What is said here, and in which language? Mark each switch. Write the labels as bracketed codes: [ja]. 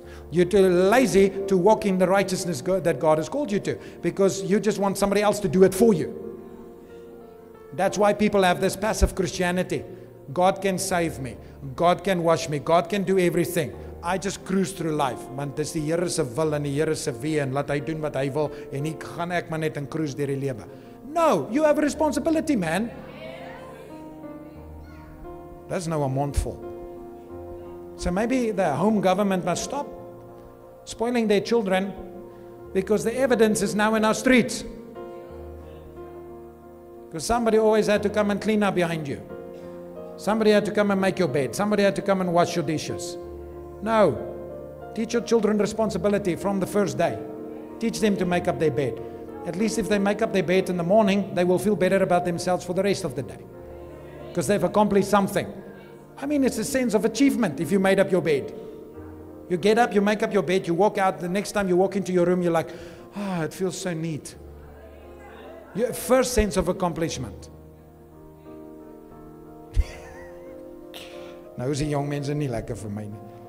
[en] You're too lazy to walk in the righteousness that God has called you to because you just want somebody else to do it for you. That's why people have this passive Christianity. God can save me. God can wash me. God can do everything. I just cruise through life. [af] Want dis die Here se wil en die Here se weë en laat hy doen wat hy wil en ek gaan ek maar net en cruise deur die lewe. [en] No, you have a responsibility, man. That's now a mouthful. So maybe the home government must stop spoiling their children because the evidence is now in our streets. Because somebody always had to come and clean up behind you. Somebody had to come and make your bed. Somebody had to come and wash your dishes. No. Teach your children responsibility from the first day. Teach them to make up their bed. At least if they make up their bed in the morning, they will feel better about themselves for the rest of the day. Because they've accomplished something. I mean, it's a sense of achievement if you made up your bed. You get up, you make up your bed, you walk out. The next time you walk into your room, you're like, ah, it feels so neat. Your first sense of accomplishment. [af] Nou is die jong mense nie lekker vir my nie.